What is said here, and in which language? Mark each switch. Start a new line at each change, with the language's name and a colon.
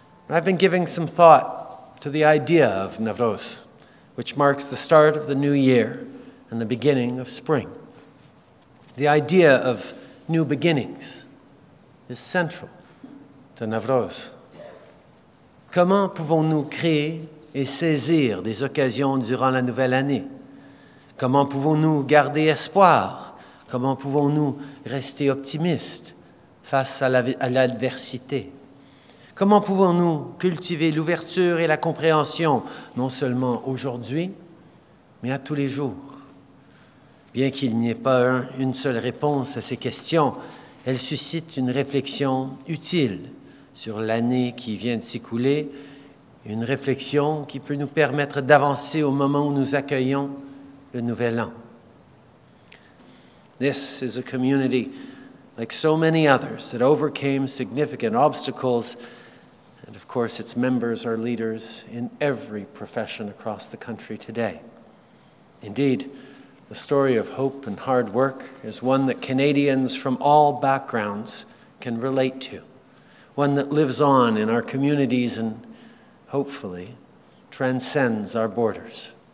English: I've been giving some thought to the idea of Navroz, which marks the start of the new year and the beginning of spring. The idea of new beginnings is central to Navroz.
French: Comment pouvons-nous créer et saisir des occasions durant la nouvelle année? Comment pouvons-nous garder espoir? Comment pouvons-nous rester optimistes face à l'adversité? Comment pouvons-nous cultiver l'ouverture et la compréhension, non seulement aujourd'hui, mais à tous les jours? Bien qu'il n'y ait pas une seule réponse à ces questions, elles suscitent une réflexion utile sur l'année qui vient de s'écouler, une réflexion qui peut nous permettre d'avancer au moment où nous accueillons le nouvel an.
English: This is a community like so many others that overcame significant obstacles, and of course its members are leaders in every profession across the country today. Indeed, the story of hope and hard work is one that Canadians from all backgrounds can relate to, one that lives on in our communities and hopefully transcends our borders.